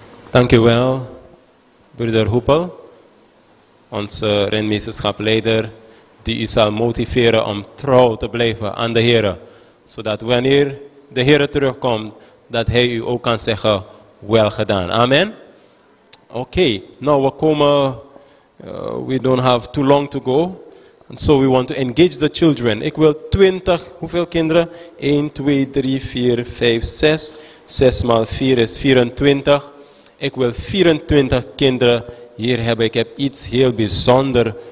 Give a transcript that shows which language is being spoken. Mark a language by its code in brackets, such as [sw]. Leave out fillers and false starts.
[nl] Dank u wel, broeder Hoepel, onze rentmeesterschapleider, die u zal motiveren om trouw te blijven aan de Heer, zodat wanneer de Heer terugkomt, dat hij u ook kan zeggen, wel gedaan. Amen. Oké, nou we komen, [en] we don't have too long to go, and so we want to engage the children. [nl] Ik wil 20, hoeveel kinderen? 1, 2, 3, 4, 5, 6. 6 maal 4 is 24. Ik wil 24 kinderen hier hebben. Ik heb iets heel bijzonders